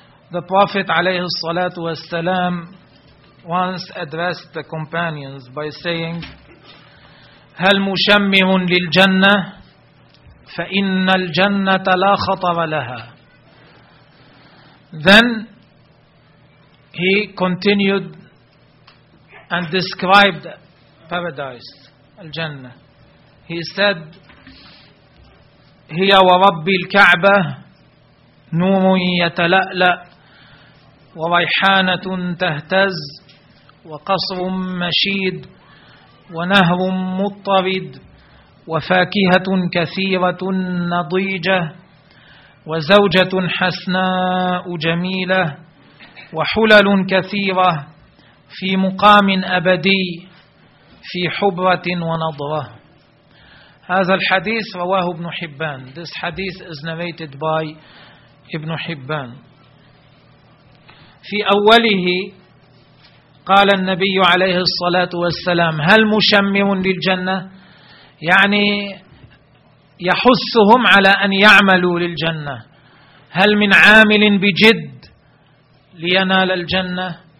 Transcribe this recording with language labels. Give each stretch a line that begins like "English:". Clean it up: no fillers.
English: The Prophet
Arabic: عليه الصلاة والسلام
English: once addressed the companions by saying,
Arabic: هل مشمم للجنة فإن الجنة لا خطر لها.
English: Then he continued and described paradise, al-Jannah. He said,
Arabic: هي ورب الكعبة نور يتلألأ وريحانة تهتز وقصر مشيد ونهر مضطرد وفاكهة كثيرة نضيجة وزوجة حسناء جميلة وحلل كثيرة في مقام أبدي في حبرة ونضرة. هذا الحديث رواه ابن حبان.
English: This hadith is narrated by ابن حبان.
Arabic: في أوله قال النبي عليه الصلاة والسلام هل مشمم للجنة، يعني يحثهم على أن يعملوا للجنة، هل من عامل بجد لينال الجنة.